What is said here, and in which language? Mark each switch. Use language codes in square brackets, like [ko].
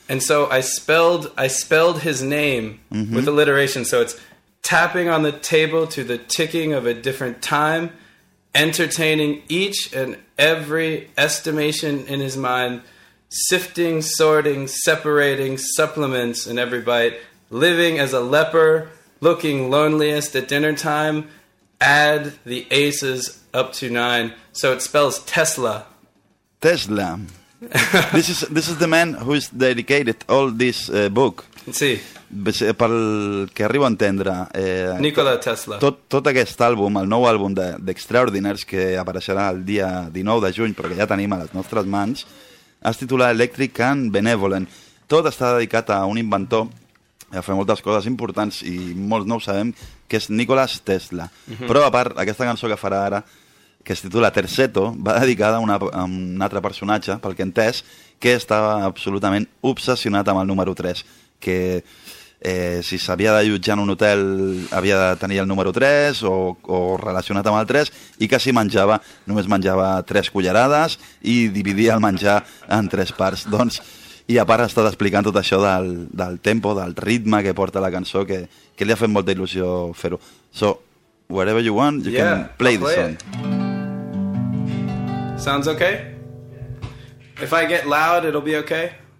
[en] And so I spelled his name, mm-hmm, with alliteration, so it's tapping on the table to the ticking of a different time, entertaining each and every estimation in his mind, sifting, sorting, separating supplements in every bite, living as a leper, looking loneliest at dinner time, add the aces up to nine. So it spells Tesla. Tesla. this is the man who is dedicated all this book. [ca] Sí. Pel que arribo a entendre, Nikola Tesla. Tot aquest àlbum, el nou àlbum d'Extraordinaires, que apareixerà el dia 19 de juny, però que ja tenim a les nostres mans, es titula Electric and Benevolent. Tot està dedicat a un inventor a fer moltes coses importants i molts no ho sabem, que és Nikola Tesla. Mm-hmm. Però a part, aquesta cançó que farà ara, que es titula Terceto, va dedicada a un altre personatge, pel que he entès, que estava absolutament obsessionat amb el número 3. Que si s'havia d'allotjar en un hotel havia de tenir el número 3 o relacionat amb el 3, i que si menjava només menjava 3 cullerades i dividia el menjar en 3 parts. Doncs, i a part ha estat explicant tot això del tempo, del ritme que porta la cançó, que li ha fet molta il·lusió fer-ho. [en] So, whatever you want, you, yeah, can play the song. Sounds okay? If I get loud, it'll be okay?